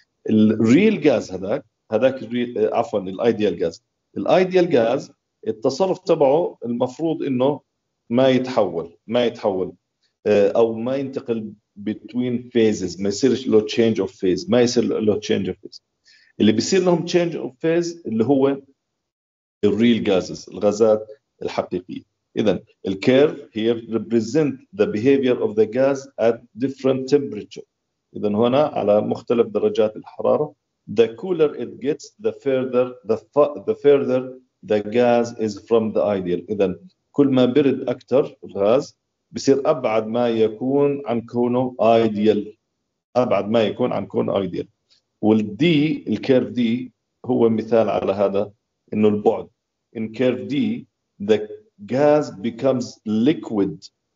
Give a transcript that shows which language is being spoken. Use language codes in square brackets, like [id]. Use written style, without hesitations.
[ar] الريل غاز هذاك عفوا الايديال غاز، الايديال غاز التصرف تبعه المفروض إنه ما يتحول أو ما ينتقل [en] between phases، [ar] ما يصيرش له change of phase، ما يصير له change of phase. اللي بيصير لهم change of phase اللي هو the real gases، الغازات الحقيقية. [en] إذن the curve here represent the behavior of the gas at different temperature. [ar] إذن هنا على مختلف درجات الحرارة. [en] The cooler it gets, the further the gas is from the ideal. [ar] إذن كل ما برد أكثر الغاز بيصير أبعد ما يكون عن كونه ideal. والدي الكيرف دي هو مثال على هذا إنه البعد. [en] In curve D, the gas becomes liquid.